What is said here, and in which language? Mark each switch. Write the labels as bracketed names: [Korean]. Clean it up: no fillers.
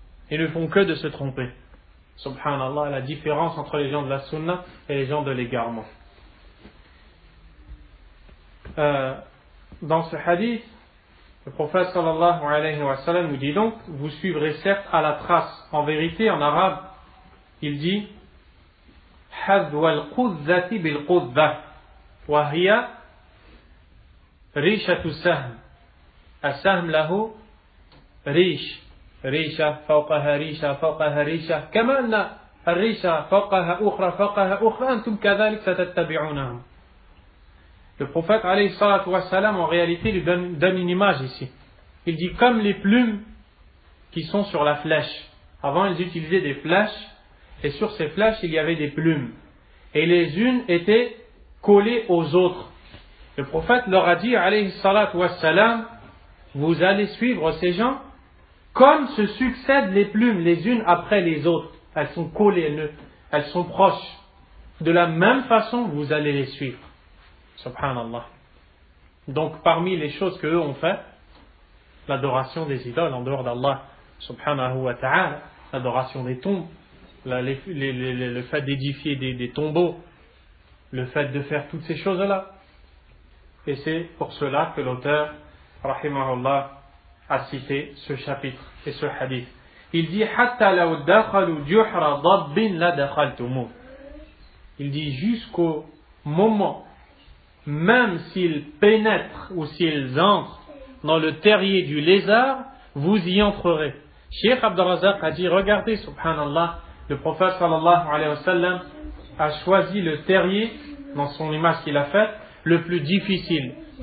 [French] Ils ne font que de se tromper. Subhanallah, la différence entre les gens de la sunna et les gens de l'égarement. Dans ce hadith, le prophète sallallahu alayhi wa sallam nous dit donc: vous suivrez certes à la trace. En vérité, en arabe, il dit: [Arabic] حذو القذة بالقذة وهي ريشة السهم السهم له ريش ريشة فوقها ريشة كما أن الريشة فوقها أخرى أنتم كذلك ستتبعونهم. [French] Le prophète [Arabic] عليه الصلاة والسلام [French] en réalité lui donne une image ici. Il dit comme les plumes qui sont sur la flèche. Avant ils utilisaient des flèches et sur ces flèches il y avait des plumes. Et les unes étaient collées aux autres. Le prophète leur a dit, alayhi salatu wassalam, vous allez suivre ces gens comme se succèdent les plumes les unes après les autres. Elles sont collées, elles sont proches. De la même façon, vous allez les suivre. Subhanallah. Donc parmi les choses qu'eux ont fait, l'adoration des idoles en dehors d'Allah, subhanahu wa ta'ala, l'adoration des tombes, le fait d'édifier des tombeaux, le fait de faire toutes ces choses-là. Et c'est pour cela que l'auteur, rahimahullah, a cité ce chapitre et ce hadith. Il dit, [Arabic] حَتَّى لَوْ دَخَلُوا جُحْرَ ضَبِّنْ لَدَخَلْتُمُ. [French] Il dit, jusqu'au moment, même s'ils pénètrent ou s'ils entrent dans le terrier du lézard, vous y entrerez. Cheikh Abdelrazak a dit, regardez, subhanallah, le prophète sallallahu alayhi wa sallam a choisi le terrier, dans son image qu'il a faite, le plus difficile.